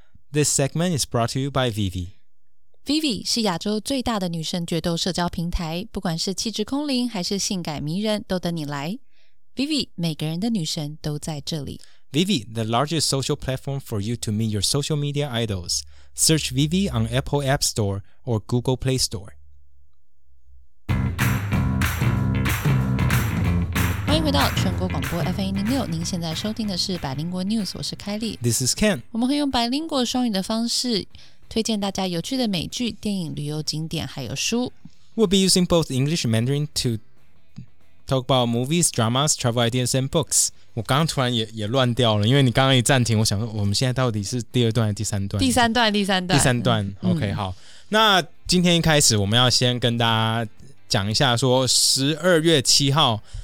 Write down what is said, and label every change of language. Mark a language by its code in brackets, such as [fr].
[en] This segment is brought to you by VV. [zh] VV 是亚洲最大的女生决斗社交平台，不管是气质空灵还是性感迷人都等你来， VV 每个人的女神都在这里。 [en] Vivi, the largest social platform for you to meet your social media idols. Search Vivi on Apple App Store or Google Play Store. [zh] 欢迎回到全国广播 FM106, 您现在收听的是百灵国 News, 我是凯莉。 [en] This is Ken. [zh] 我们会用百灵国双语的方式推荐大家有趣的美剧、电影、旅游景点还有书。 [en] We'll be using both English and Mandarin to talk about movies, dramas, travel ideas and books. [zh] 我刚刚突然 也乱掉了，因为你刚刚一暂停，我想说我们现在到底是第二段还是第三段？第三段、OK, 好，那今天一开始我们要先跟大家讲一下说12月7号